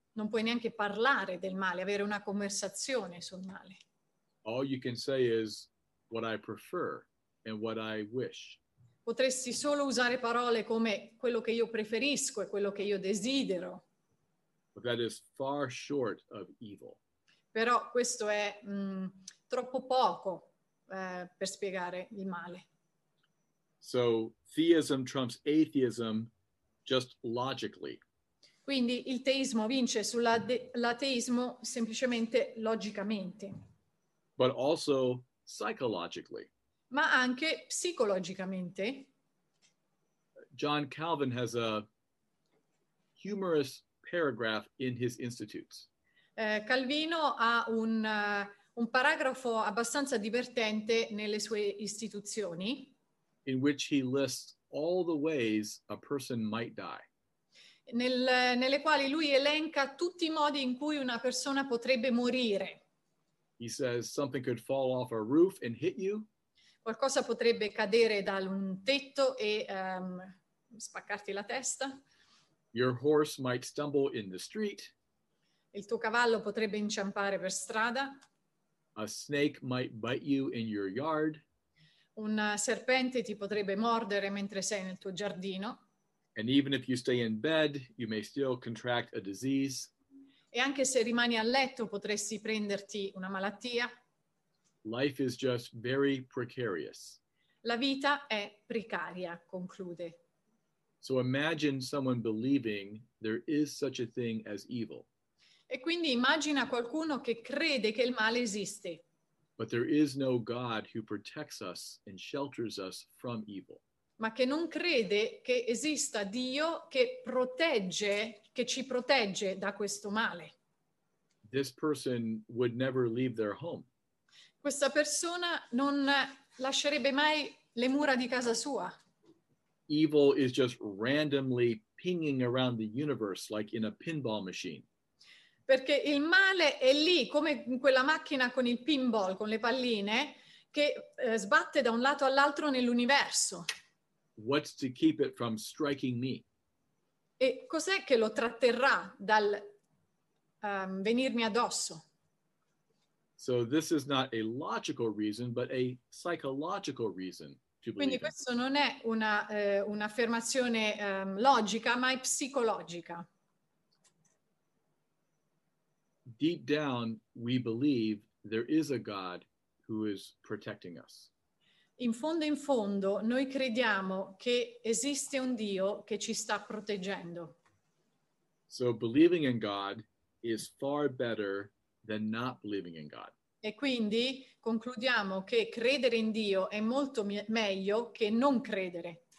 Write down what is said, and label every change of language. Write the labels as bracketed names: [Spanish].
[Italian] Non puoi neanche parlare del male, avere una conversazione sul male. [English] All you can say is what I prefer and what I wish. [Italian] Potresti solo usare parole come quello che io preferisco e quello che io desidero. [English] But that is far short of evil. [Italian] Però questo è troppo poco per spiegare il male. [English] So theism trumps atheism just logically. [Italian] Quindi il teismo vince sull'ateismo semplicemente logicamente. [English] But also psychologically. [Italian] Ma anche psicologicamente. [English] John Calvin has a humorous paragraph in his Institutes. [Italian] Calvino ha un paragrafo abbastanza divertente nelle sue istituzioni. [English] In which he lists all the ways a person might die. [Italian] Nelle quali lui elenca tutti i modi in cui una persona potrebbe morire. [English] He says something could fall off a roof and hit you. [Italian] Qualcosa potrebbe cadere da un tetto e spaccarti la testa. [English] Your horse might stumble in the street. [Italian] Il tuo cavallo potrebbe inciampare per strada. [English] A snake might bite you in your yard. [Italian] Un serpente ti potrebbe mordere mentre sei nel tuo giardino. [English] And even if you stay in bed, you may still contract a disease. [Italian] E anche se rimani a letto potresti prenderti una malattia. [English] Life is just very precarious. [Italian] La vita è precaria, conclude. [English] So imagine someone believing there is such a thing as evil. [Italian] E quindi immagina qualcuno che crede che il male esiste. [English] But there is no God who protects us and shelters us from evil. [Italian] Ma che non crede che esista Dio che protegge, che ci protegge da questo male. [English] This person would never leave their home. [Italian] Questa persona non lascerebbe mai le mura di casa sua. [English] Evil is just randomly pinging around the universe like in a pinball machine. [Italian] Perché il male è lì, come in quella macchina con il pinball, con le palline, che sbatte da un lato all'altro nell'universo. [English] What's to keep it from striking me? [Italian] E cos'è che lo tratterrà dal venirmi addosso? [English] So this is not a logical reason, but a psychological reason to believe. [Italian] Quindi questo non è un'affermazione logica, ma è psicologica. [English] Deep down, we believe there is a God who is protecting us. [Italian] In fondo, noi crediamo che esiste un Dio che ci sta proteggendo. [English] So believing in God is far better than not believing in God. [Italian] E quindi concludiamo che credere in Dio è molto meglio che non credere.